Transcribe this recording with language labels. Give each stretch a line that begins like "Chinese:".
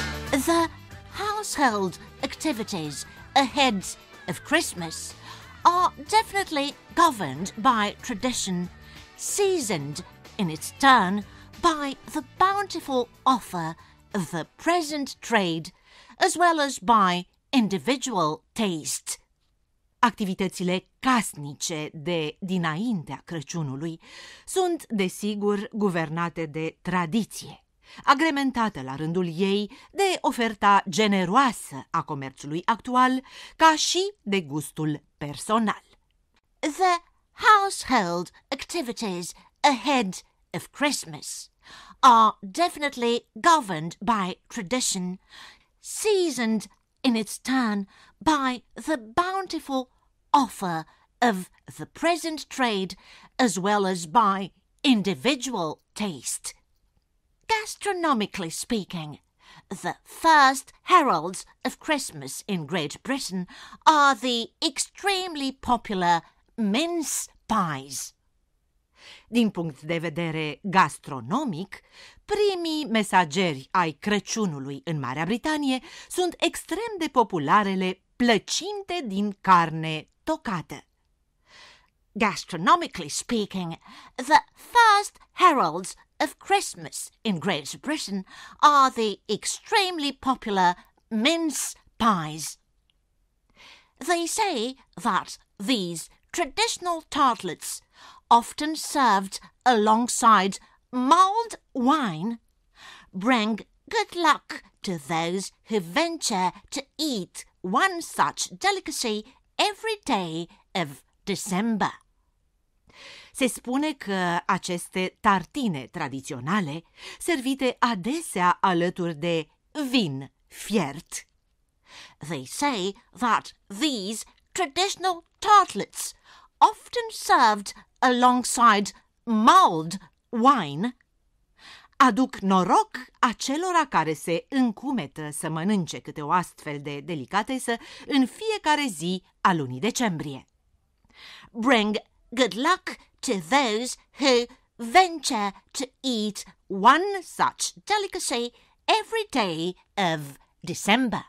English: The household activities ahead of Christmas are definitely governed by tradition, seasoned in its turn by the bountiful offer of the present trade, as well as by individual taste.
Romanian: Activitățile casnice de dinaintea Crăciunului sunt, desigur, guvernate de tradiție, agrementată la rândul ei de oferta generoasă a comerțului actual, ca și de gustul personal.
English: The household activities ahead of Christmas are definitely governed by tradition, seasoned in its turn by the bountiful offer of the present trade, as well as by individual taste. Gastronomically speaking, the first heralds of Christmas in Great Britain are the extremely popular mince pies.
Romanian: Din punct de vedere gastronomic, primii mesageri ai Crăciunului în Marea Britanie sunt extrem de popularele plăcinte din carne tocată.
English: Gastronomically speaking, the first heralds of Christmas in Great Britain are the extremely popular mince pies. They say that these traditional tartlets, often served alongside mulled wine, bring good luck to those who venture to eat one such delicacy every day of December.
Romanian: Se spune că aceste tartine tradiționale, servite adesea alături de vin fiert.
English: They say that these traditional tartlets, often served alongside mulled wine,
Romanian: aduc noroc acelora care se încumetă să mănânce câte o astfel de delicatesă în fiecare zi a lunii decembrie.
English: Bring good luck to those who venture to eat one such delicacy every day of December.